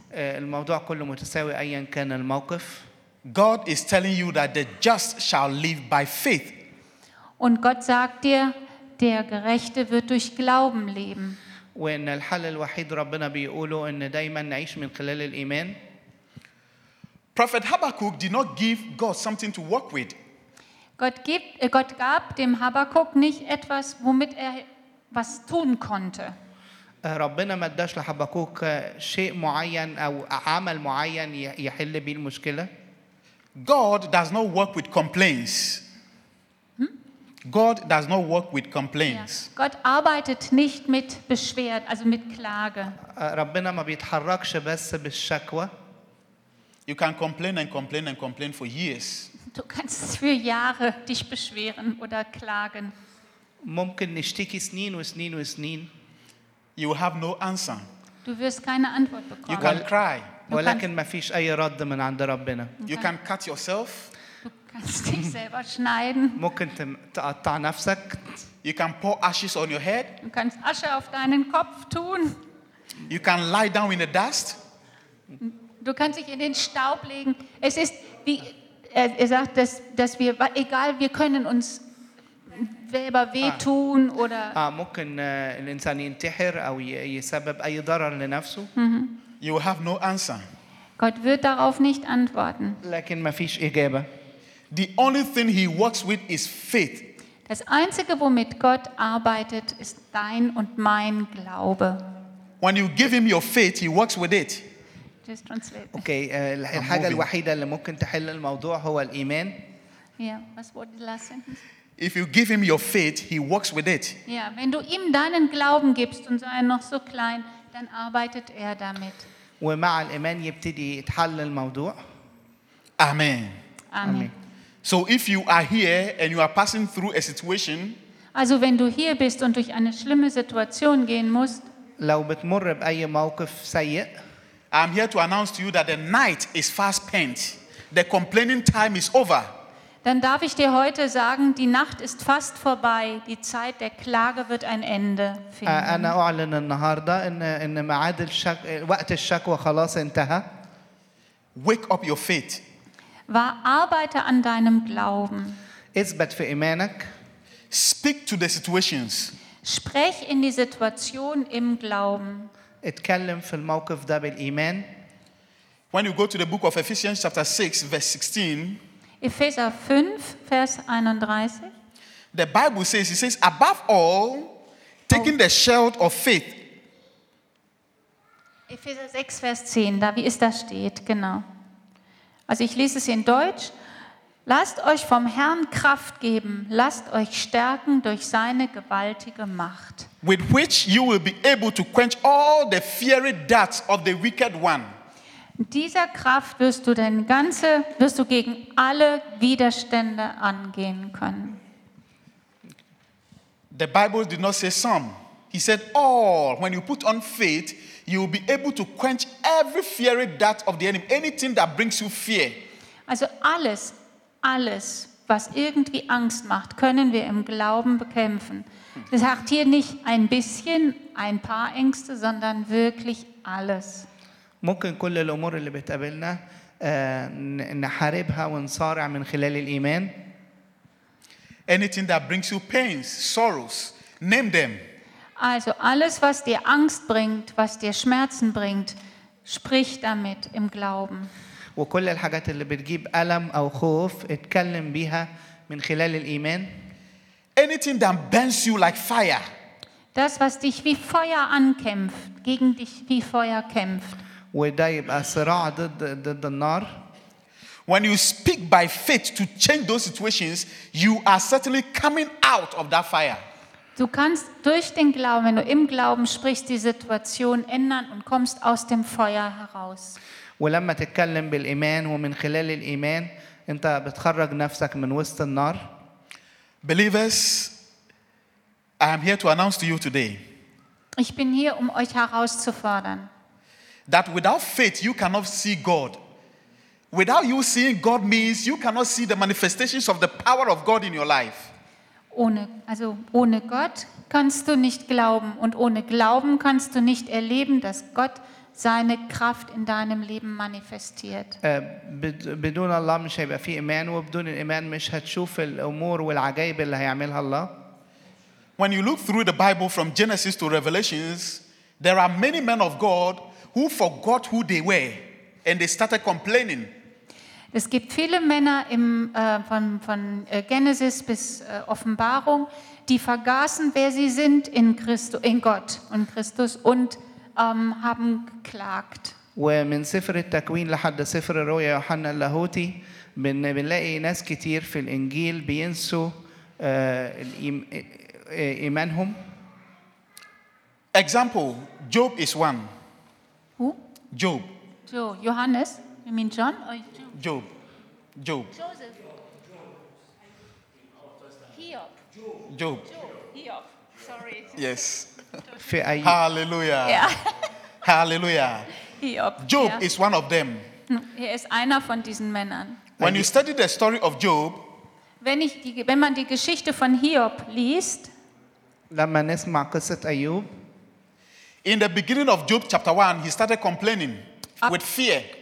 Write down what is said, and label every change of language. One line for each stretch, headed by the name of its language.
Arabic: الموضوع كله متساوي أيا كان الموقف.
English: God is telling you that the just shall live by faith.
German: Und Gott sagt dir, der Gerechte wird durch Glauben leben.
Arabic: وإن الحل الوحيد ربنا بيقوله إن دايما نعيش من خلال الإيمان.
English: Prophet Habakkuk did not give God something to work with.
German: Gott gab dem Habakkuk nicht etwas, womit er was tun konnte.
Arabic: ربنا ما اداش لحبكوك شيء معين او عمل معين يحل بيه المشكله.
English: God does not work with complaints. God does not work with complaints. Yeah.
German: Gott arbeitet nicht mit Beschwerden, also mit Klage.
Arabic: ربنا ما بيتحركش بس بالشكوى.
English: You can complain and complain and complain for years.
German: Du kannst für Jahre dich beschweren oder klagen.
Arabic: ممكن نشتكي سنين وسنين وسنين.
English: You will have no answer.
German: Du wirst keine Antwort bekommen.
English: You can cry.
Arabic: ولكن ما فيش أي رد من عند ربنا.
English: You can cut yourself.
German: Du kannst dich selber schneiden.
Arabic: ممكن تقطع نفسك.
English: You can pour ashes on your head.
German: Du kannst Asche auf deinen Kopf tun.
English: You can lie down in the dust.
German: Du kannst dich in den Staub legen. Es ist wie er sagt, dass wir egal, wir können uns selber wehtun oder.
Arabic: ممكن الإنسان ينتحر أو يسبب أي ضرر لنفسه.
English: You have no answer.
German: Gott wird darauf nicht antworten.
Arabic: لكن ما فيش إجابة.
English: The only thing he works with is faith.
German: Das Einzige, womit Gott arbeitet, ist dein und mein Glaube.
English: When you give him your faith, he works with it. Just translate.
Arabic: Okay, الحاجة الوحيدة اللي ممكن تحل الموضوع هو الإيمان.
English: Yeah, what's the last sentence? If you give him your faith, he works with it.
German: Yeah, wenn du ihm deinen Glauben gibst und sei noch so klein, dann arbeitet er damit.
Arabic: ومع الإيمان يبتدي يتحل الموضوع.
English: Amen. Amen. So if you are here and you are passing through a situation.
German: Also wenn du hier bist und durch eine schlimme Situation gehen musst.
Arabic: لو بتمر بأي موقف سيء.
English: I'm here to announce to you that the night is fast spent. The complaining time is over.
German: Dann darf ich dir heute sagen, die Nacht ist fast vorbei, die Zeit der Klage wird ein Ende finden.
Arabic: انا اعلن النهارده ان ميعاد الشك وقت الشكوى خلاص انتهى.
English: Wake up your faith.
German: Arbeite an deinem Glauben.
Arabic: اثبت في ايمانك.
English: Speak to the situations.
German: Sprech in die Situation im Glauben.
Arabic: اتكلم في الموقف ده بالايمان.
English: When you go to the book of Ephesians chapter 6 verse 16,
German: Epheser 5, Vers 31.
English: The Bible says, it says, above all, taking the shield of faith.
German: Epheser 6, Vers 10, da wie es da steht, genau. Also ich lese es in Deutsch. Lasst euch vom Herrn Kraft geben, lasst euch stärken durch seine gewaltige Macht.
English: With which you will be able to quench all the fiery darts of the wicked one.
German: Dieser Kraft wirst du dein ganze, wirst du gegen alle Widerstände angehen können.
English: The Bible did not say some. He said all. When you put on faith, you will be able to quench every fiery dart of the enemy, anything that brings you fear.
German: Also alles, was irgendwie Angst macht, können wir im Glauben bekämpfen. Das sagt hier nicht ein bisschen, ein paar Ängste, sondern wirklich alles.
Arabic: ممكن كل الأمور اللي بتقابلنا نحاربها ونصارع من خلال الإيمان.
English: Anything that brings you pains, sorrows, name them.
German: Also alles, was dir Angst bringt, was dir Schmerzen bringt, sprich damit im Glauben.
Arabic: وكل الحاجات اللي بتجيب ألم أو خوف اتكلم بيها من خلال الإيمان.
English: Anything that burns you like fire.
German: Das, was dich wie Feuer ankämpft, gegen dich wie Feuer kämpft.
Arabic: وده يبقى صراع ضد النار.
English: When you speak by faith to change those situations, you are certainly coming out of that fire.
German: Du kannst durch den Glauben, wenn du im Glauben sprichst, die Situation ändern und kommst aus dem Feuer heraus.
Arabic: ولما تتكلم بالإيمان ومن خلال الإيمان انت بتخرج نفسك من وسط النار.
English: Believers, I am here to announce to you today.
German: Ich bin hier, um euch herauszufordern.
English: That without faith you cannot see God. Without you seeing God means you cannot see the manifestations of the power of God in your life.
German: Ohne Gott kannst du nicht glauben und ohne Glauben kannst du nicht erleben, dass Gott seine Kraft in deinem Leben manifestiert.
Arabic: بدون الله مش هيبقى في إيمان وبدون الإيمان مش هتشوف الأمور والعجائب اللي هيعملها الله.
English: When you look through the Bible from Genesis to Revelations, there are many men of God who forgot who they were and they started complaining.
German: Es gibt viele Männer von Genesis bis Offenbarung, die vergaßen, wer sie sind in Christus, in Gott und Christus und haben geklagt.
Arabic: ومن سفر التكوين لحد سفر الرؤيا يوحنا اللاهوتي بنلاقي ناس كتير في الانجيل بينسوا ايمانهم.
English: Example, Job is one. Who? Job. So, Johannes? You mean John or Job? Job. Joseph.
German: Hiob.
English: Job.
German: Hiob.
English: Sorry. Yes. Hallelujah. Yeah. Hallelujah.
German: Hiob.
English: Job is one of them.
German: Er ist einer von diesen Männern.
English: When you study the story of Job,
German: wenn man die Geschichte von Hiob liest, lass man es mal kurz sagen, Hiob.
English: In the beginning of Job chapter 1, he started complaining with fear.